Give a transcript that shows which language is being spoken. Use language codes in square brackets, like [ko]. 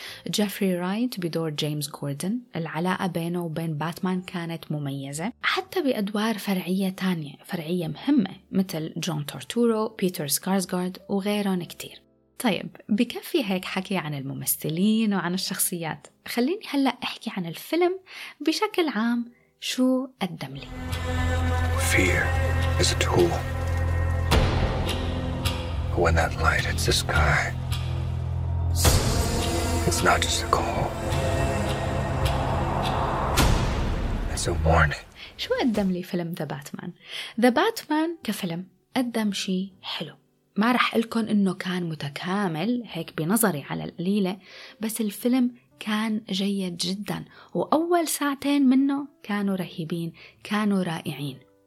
[ar] جيفري رايت بدور جيمس جوردن، العلاقة بينه وبين باتمان كانت مميزة، حتى بأدوار فرعية تانية فرعية مهمة مثل جون تورتورو، بيتر سكارسغارد وغيرهم كتير. طيب بكفي هيك حكي عن الممثلين وعن الشخصيات، خليني هلأ أحكي عن الفيلم بشكل عام شو قدم لي. [en] Fear is a tool. When that light hits the sky, it's not just a call. It's a warning. [ar] شو قدم لي فيلم The Batman؟ The Batman كفيلم قدم شيء حلو. ما رح قلكن إنه كان متكامل هيك بنظري على القليلة، بس الفيلم كان جيد جدا، وأول ساعتين منه كانوا رهيبين، كانوا رائعين.